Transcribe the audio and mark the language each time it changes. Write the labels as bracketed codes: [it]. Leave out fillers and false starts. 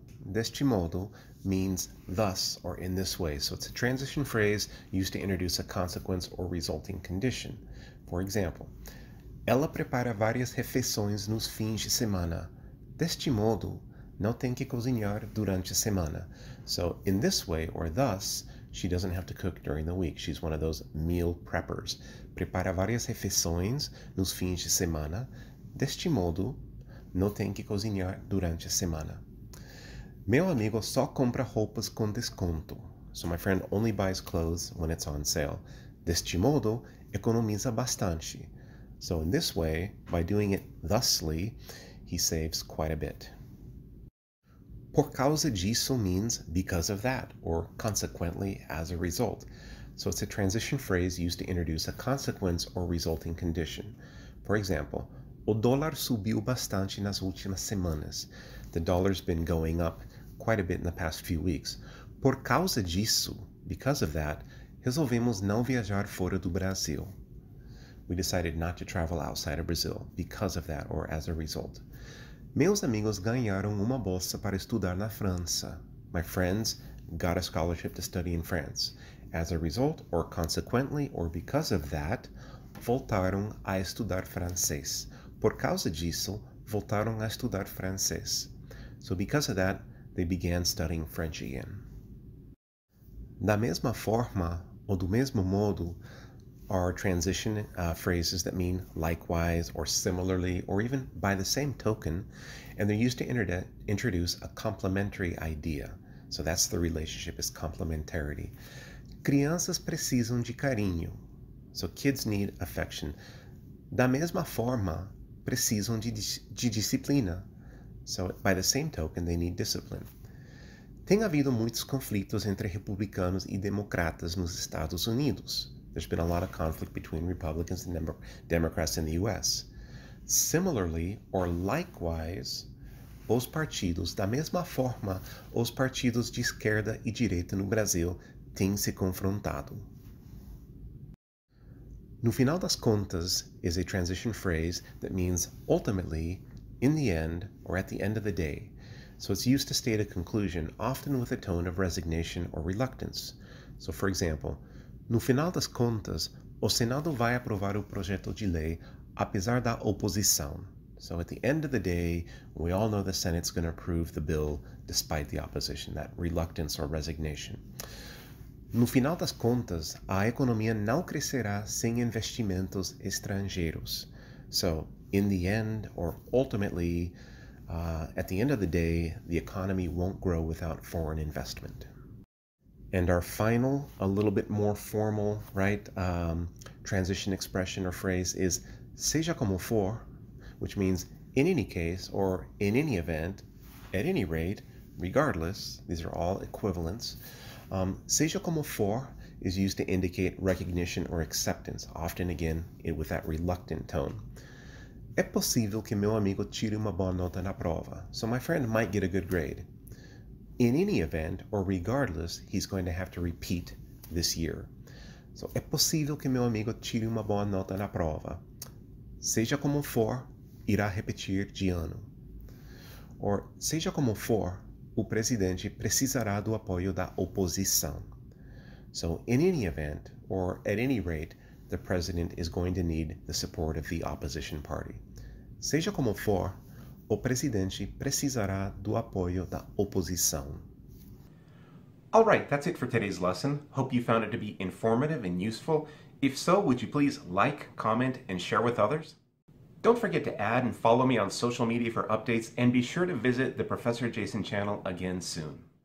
[en] Deste modo means thus or in this way. So it's a transition phrase used to introduce a consequence or resulting condition. For example, [pt] ela prepara várias refeições nos fins de semana. Deste modo, não tem que cozinhar durante a semana. [en] So in this way or thus, she doesn't have to cook during the week. She's one of those meal preppers. [pt] Prepara várias refeições nos fins de semana. Deste modo, não tem que cozinhar durante a semana. Meu amigo só compra roupas com desconto. [en] So my friend only buys clothes when it's on sale. [pt] Deste modo, economiza bastante. [en] So in this way, by doing it thusly, he saves quite a bit. Por causa disso means because of that, or consequently as a result. So it's a transition phrase used to introduce a consequence or resulting condition. For example, [pt] o dólar subiu bastante nas últimas semanas. [en] The dollar's been going up quite a bit in the past few weeks. [pt] Por causa disso, [en] because of that, [pt] resolvemos não viajar fora do Brasil. [en] we decided not to travel outside of Brazil because of that or as a result. [pt] Meus amigos ganharam uma bolsa para estudar na França. [en] My friends got a scholarship to study in France. As a result, or consequently, or because of that, [pt] voltaram a estudar francês. Por causa disso, voltaram a estudar francês. [en] So because of that, they began studying French again. [pt] Da mesma forma, ou do mesmo modo, [en] are transition phrases that mean likewise or similarly or even by the same token, and they're used to introduce a complementary idea. So that's the relationship, is complementarity. [pt] Crianças precisam de carinho. [en] So kids need affection. [pt] Da mesma forma, precisam de disciplina. [en] So by the same token, they need discipline. [pt] Tem havido muitos conflitos entre republicanos e democratas nos Estados Unidos. [en] There's been a lot of conflict between Republicans and Democrats in the U.S. Similarly, or likewise, [pt] os partidos, da mesma forma, os partidos de esquerda e direita no Brasil têm se confrontado. [en] No final das contas is a transition phrase that means ultimately, in the end, or at the end of the day. So it's used to state a conclusion, often with a tone of resignation or reluctance. So for example, [pt] no final das contas, o Senado vai aprovar o projeto de lei, apesar da oposição. [en] So at the end of the day, we all know the Senate's going to approve the bill despite the opposition, that reluctance or resignation. [pt] No final das contas, a economia não crescerá sem investimentos estrangeiros. [en] So in the end, or ultimately, at the end of the day, the economy won't grow without foreign investment. And our final, a little bit more formal, right, transition expression or phrase is seja como for, which means in any case or in any event, at any rate, regardless, these are all equivalents. Seja como for is used to indicate recognition or acceptance, often again it, with that reluctant tone. [pt] É possível que meu amigo tire uma boa nota na prova. [en] So my friend might get a good grade. In any event, or regardless, he's going to have to repeat this year. [pt] So, é possível que meu amigo tire uma boa nota na prova. Seja como for, irá repetir de ano. Or, seja como for, o presidente precisará do apoio da oposição. [en] So, in any event, or at any rate, the president is going to need the support of the opposition party. [pt] Seja como for, o presidente precisará do apoio da oposição. [en] All right, that's it for today's lesson. Hope you found it to be informative and useful. If so, would you please like, comment, and share with others? Don't forget to add and follow me on social media for updates, and be sure to visit the Professor Jason channel again soon.